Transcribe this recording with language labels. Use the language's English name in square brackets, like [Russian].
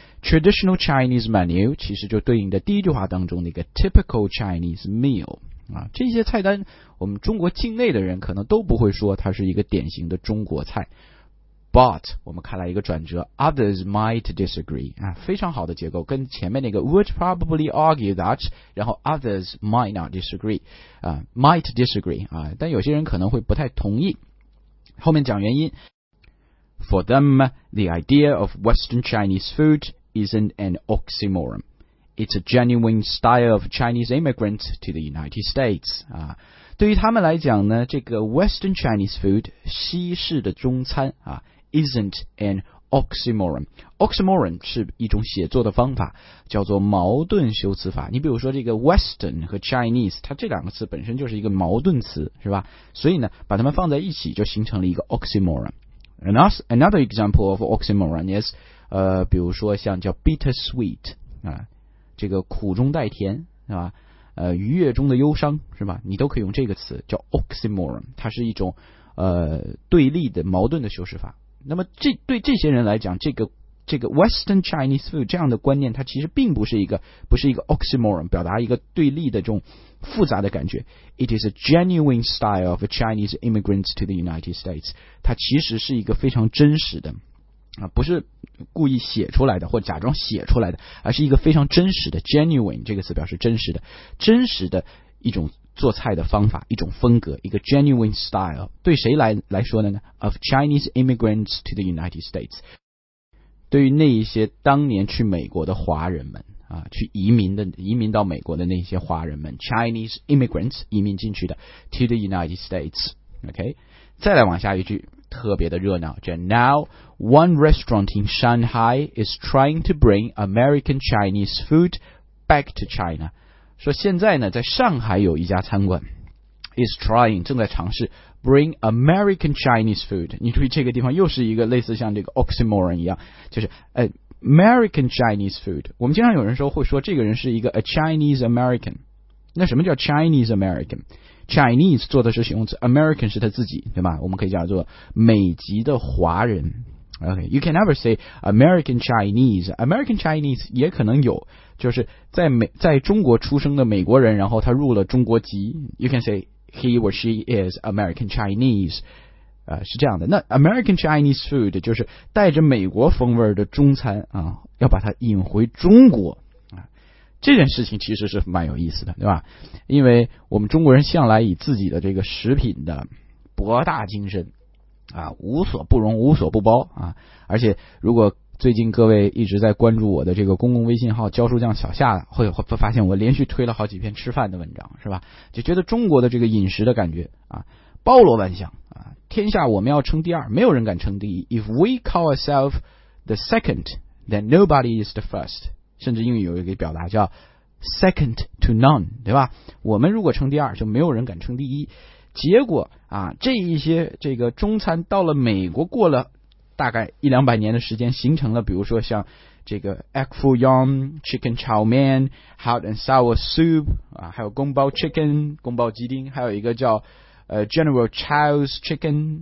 [Chinese] traditional Chinese menu 其实就对应的第一句话当中那个 typical Chinese meal啊、这些菜单我们中国境内的人可能都不会说它是一个典型的中国菜， but 我们看来一个转折， others might disagree、啊、非常好的结构，跟前面那个 would probably argue that 然后 others might not disagree、啊、might disagree、啊、但有些人可能会不太同意，后面讲原因。 [English] For them the idea of western Chinese food isn't an oxymoron，It's a genuine style of Chinese immigrant to the United States.、啊、对于他们来讲呢，这个 Western Chinese food, 西式的中餐、啊、isn't an oxymoron. [Chinese] Oxymoron 是一种写作的方法，叫做矛盾修辞法。你比如说这个 Western 和 Chinese, 它这两个词本身就是一个矛盾词，是吧？所以呢，把它们放在一起就形成了一个 oxymoron. Another example of oxymoron is,、比如说像叫 bittersweet,、啊这个苦中带甜是吧？愉悦中的忧伤是吧？你都可以用这个词叫 oxymoron， 它是一种对立的矛盾的修饰法。那么对这些人来讲，这个 Western Chinese food 这样的观念，它其实并不是一个 oxymoron， 表达一个对立的这种复杂的感觉。 [English] It is a genuine style of Chinese immigrants to the United States，它其实是一个非常真实的。 [Chinese] 啊、不是故意写出来的或假装写出来的，而是一个非常真实的 genuine 这个词表示真实的，真实的一种做菜的方法，一种风格，一个 genuine style， 对谁 来说呢？ of Chinese immigrants to the United States，对于那一些当年去美国的华人们、啊、去移民到美国的那些华人们， Chinese immigrants 移民进去的 to the United States。 [English] OK， 再来往下一句特别的热闹，就 Now one restaurant in Shanghai is trying to bring American Chinese food back to China，说现在呢在上海有一家餐馆 [Chinese] is trying 正在尝试 bring American Chinese food，你注意这个地方又是一个类似像这个 oxymoron 一样，就是American Chinese food， 我们经常有人说会说这个人是一个 a Chinese American，那什么叫 Chinese AmericanChinese 做的是形容词， American 是他自己，对吧？我们可以叫做美籍的华人。 [English] Okay, You can never say American Chinese. [Chinese] American Chinese 也可能有，就是在中国出生的美国人，然后他入了中国籍。 You can say he or she is American Chinese、是这样的。那 American Chinese food 就是带着美国风味的中餐、要把它引回中国，这件事情其实是蛮有意思的，对吧？因为我们中国人向来以自己的这个食品的博大精深啊，无所不容无所不包啊。而且如果最近各位一直在关注我的这个公共微信号教书匠小夏，会发现我连续推了好几篇吃饭的文章，是吧？就觉得中国的这个饮食的感觉啊，包罗万象啊，天下我们要称第二，没有人敢称第一。 [English] If we call ourselves the second, then nobody is the first，甚至英语有一个表达叫 second to none， 对吧？ [Chinese] 我们如果称第二就没有人敢称第一。结果啊，这一些这个中餐到了美国，过了大概一两百年的时间，形成了比如说像这个 egg foo young chicken chow mein hot and sour soup、啊、还有宫保 chicken 宫保鸡丁，还有一个叫general chow's chicken。